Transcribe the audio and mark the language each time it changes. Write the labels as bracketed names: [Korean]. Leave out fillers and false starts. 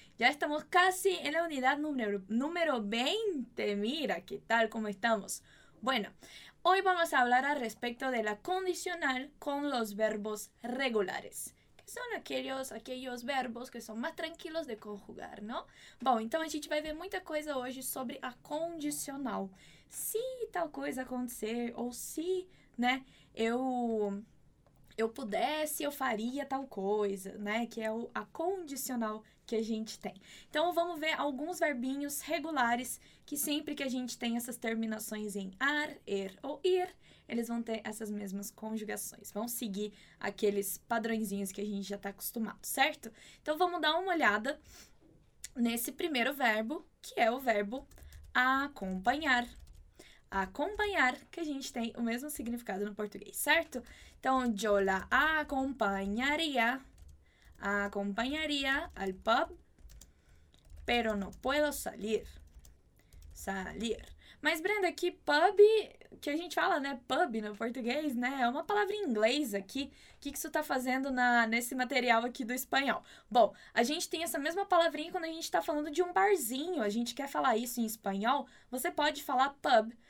[Spanish] Ya estamos casi en la unidad número 20. Mira, ¿qué tal? ¿Cómo estamos? Bueno, hoy vamos a hablar al respecto de la condicional con los verbos regulares, que son aquellos verbos que son más tranquilos de conjugar, ¿no? [Portuguese] Bom, então a gente vai ver muita coisa hoje sobre a condicional. Se tal coisa acontecer, ou se, né, eu pudesse, eu faria tal coisa, né, que é a condicional que a gente tem. Então, vamos ver alguns verbinhos regulares que sempre que a gente tem essas terminações em ar, er ou ir, eles vão ter essas mesmas conjugações. Vão seguir aqueles padrõezinhos que a gente já está acostumado, certo? Então, vamos dar uma olhada nesse primeiro verbo, que é o verbo acompanhar. Acompanhar, que a gente tem o mesmo significado no português, certo? [Spanish] Então, yo la acompañaría, acompañaría al pub, pero no puedo salir, salir. [Portuguese] Mas, Brenda, que pub, que a gente fala, né, pub no português, né, é uma palavra em inglês aqui. O que isso está fazendo nesse material aqui do espanhol? Bom, a gente tem essa mesma palavrinha quando a gente está falando de um barzinho, a gente quer falar isso em espanhol, você pode falar pub.